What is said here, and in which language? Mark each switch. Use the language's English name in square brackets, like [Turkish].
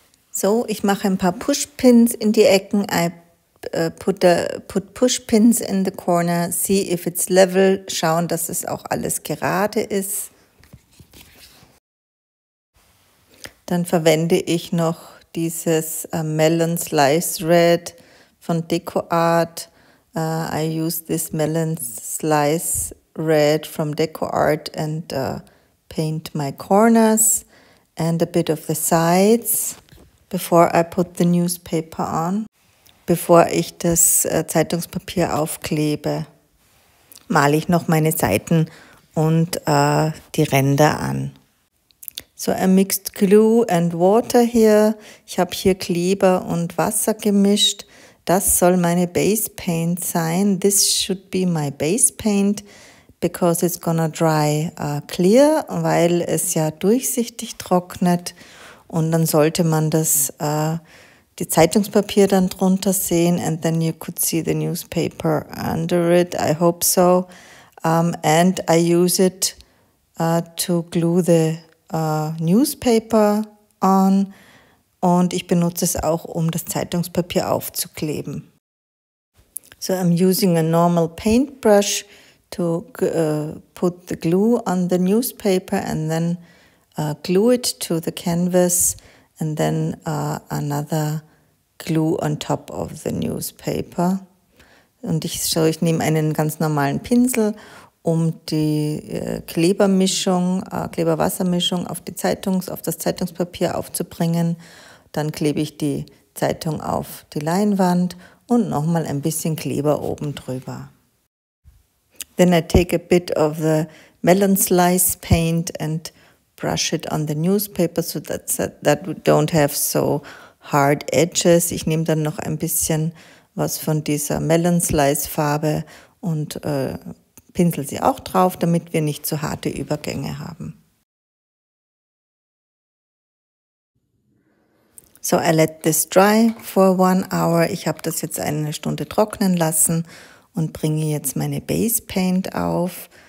[German] So, ich mache ein paar Pushpins in die Ecken. [English] I put Pushpins in the corner. See if it's level. [German] Schauen, dass es auch alles gerade ist. Dann verwende ich noch dieses Melon Slice Red von Deco Art. [English] I use this Melon Slice Red from Deco Art and paint my corners and a bit of the sides. Before I put the newspaper on, [German] bevor ich das Zeitungspapier aufklebe, male ich noch meine Seiten und die Ränder an. [English] So, I mixed glue and water here. [German] Ich habe hier Kleber und Wasser gemischt. Das soll meine Base Paint sein. [English] This should be my Base Paint because it's gonna dry clear, [German] weil es ja durchsichtig trocknet. Und dann sollte man das die Zeitungspapier dann drunter sehen. [English] And then you could see the newspaper under it. I hope so. And I use it to glue the newspaper on. [German] Und ich benutze es auch, um das Zeitungspapier aufzukleben. [English] So I'm using a normal paintbrush to put the glue on the newspaper and then glue it to the canvas and then another glue on top of the newspaper. [German] Und ich nehme einen ganz normalen Pinsel, um die Kleberwassermischung auf das Zeitungspapier aufzubringen. Dann klebe ich die Zeitung auf die Leinwand und nochmal ein bisschen Kleber oben drüber. [English] Then I take a bit of the melon slice paint and brush it on the newspaper so that we don't have so hard edges. [German] Ich nehme dann noch ein bisschen was von dieser Melon Slice Farbe und pinsel sie auch drauf, damit wir nicht so harte Übergänge haben. [English] So I let this dry for 1 hour. [German] Ich habe das jetzt eine Stunde trocknen lassen und bringe jetzt meine Base Paint auf.